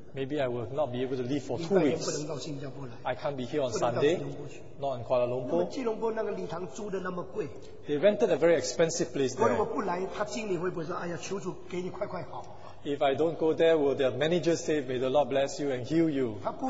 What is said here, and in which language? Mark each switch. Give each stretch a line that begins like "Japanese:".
English: maybe I will not be able to leave for 2 weeks. I can't be here on Sunday, not in Kuala Lumpur. They rented a very expensive place there.
Chinese: 如果我不来, 他心里会不会说, 哎呀, 求主给你快快好,
English: If I don't go there, will their manager say, may the Lord bless you and heal you?